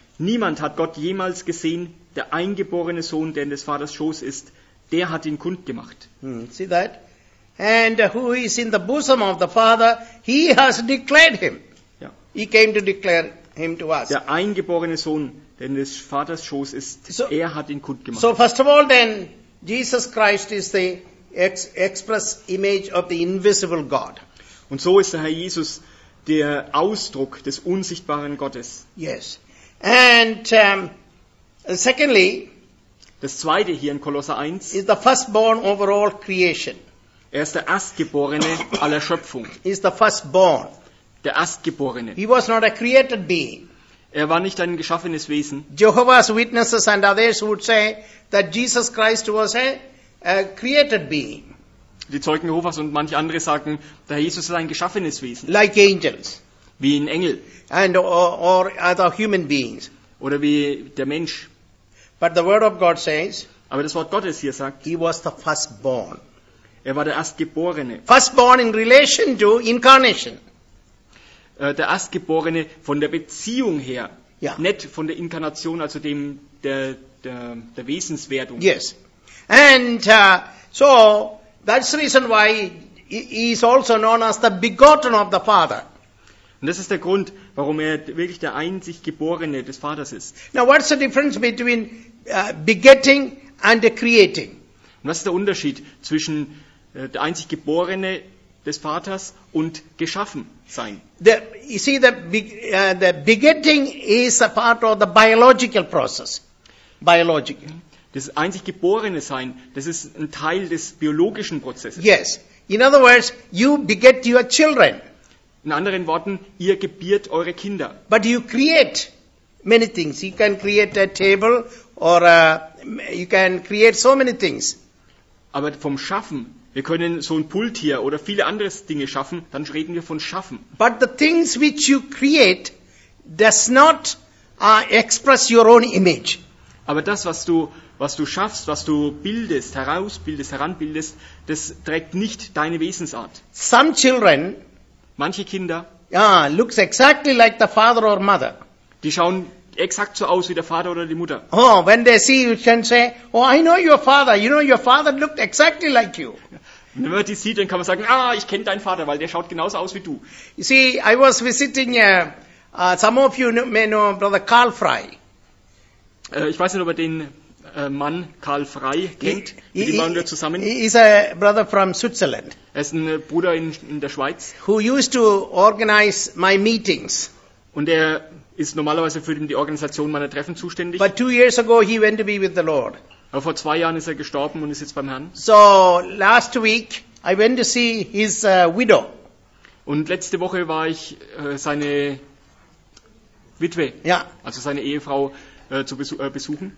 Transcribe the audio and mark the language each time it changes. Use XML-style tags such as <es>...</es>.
<de>Niemand hat Gott jemals gesehen, der eingeborene Sohn, der in des Vaters Schoß ist, der hat ihn kundgemacht.</de> <en>See that? And who is in the bosom of the Father, he has declared him.</en> <de>Ja.</de> <en>He came to declare him to us.</en> <de>Der eingeborene Sohn, der in des Vaters Schoß ist, er hat ihn kundgemacht.</de> <en>So first of all then, Jesus Christ is the express image of the invisible God.</en> <de>Und so ist der Herr Jesus der Ausdruck des unsichtbaren Gottes.</de> <en>Yes. And secondly,</en> <de>das zweite hier in Kolosser 1</de> <en>is the firstborn over all creation.</en> <de>Er ist der Erstgeborene aller Schöpfung.</de> <en>Is the firstborn.</en> <de>Der Erstgeborene.</de> <en>He was not a created being.</en> <de>Er war nicht ein geschaffenes Wesen.</de> <en>Jehovah's Witnesses and others would say that Jesus Christ was a created being.</en> <de>Die Zeugen Jehovas und manche andere sagen, der Jesus ist ein geschaffenes Wesen.</de> <en>Like angels.</en> <de>wie ein Engel.</de> <en>And or other human beings.</en> <de>Oder wie der Mensch.</de> <en>But the word of God says,</en> <de>aber das Wort Gottes hier sagt,</de> <en>he was the firstborn.</en> <de>Er war der Erstgeborene.</de> <en>Firstborn in relation to incarnation.</en> <de>Der Erstgeborene von der Beziehung her.</de> <en>Yeah.</en> <de>Nicht von der Inkarnation, also dem der Wesenswerdung.</de> <en>Yes. And so that's the reason why he is also known as the begotten of the Father.</en> <de>Und das ist der Grund, warum er wirklich der einzig Geborene des Vaters ist.</de> <en>Now what's the difference between begetting and creating?</en> <de>Und was ist der Unterschied zwischen der einzig Geborene des Vaters und geschaffen sein?</de> <en>The begetting is a part of the biological process. Biological.</en> <de>Das einzig Geborene sein, das ist ein Teil des biologischen Prozesses.</de> <en>Yes. In other words, you beget your children.</en> <de>In anderen Worten, ihr gebiert eure Kinder.</de> <en>But you create many things. You can create a table or you can create so many things.</en> <de>Aber vom Schaffen, wir können so ein Pult hier oder viele andere Dinge schaffen, dann reden wir von Schaffen.</de> <en>But the things which you create does not express your own image.</en> <de>Aber das, was du schaffst, was du bildest, herausbildest, heranbildest, das trägt nicht deine Wesensart.</de> <en>Some children,</en> <de>manche Kinder,</de> <en>looks exactly like the father or mother.</en> <de>Die schauen exakt so aus wie der Vater oder die Mutter.</de> <en>Oh, when they see you, can say, oh, I know your father. You know, your father looked exactly like you.</en> <de>Wenn man die sieht, dann kann man sagen, ich kenne deinen Vater, weil der schaut genauso aus wie du.</de> <en>You see, I was visiting, some of you may know Brother Karl Frey.</en> <de>Ich weiß nicht, ob er den Mann Karl Frey kennt, mit dem waren wir zusammen.</de> <en>He is a brother from Switzerland.</en> <de>Er ist ein Bruder in der Schweiz.</de> <en>Who used to organize my meetings.</en> <de>Und er ist normalerweise für die Organisation meiner Treffen zuständig.</de> <en>But 2 years ago he went to be with the Lord.</en> <de>Aber vor 2 Jahren ist er gestorben und ist jetzt beim Herrn.</de> <en>So last week I went to see his widow.</en> <de>Und letzte Woche war ich seine Witwe, also seine Ehefrau, zu besuchen.</de>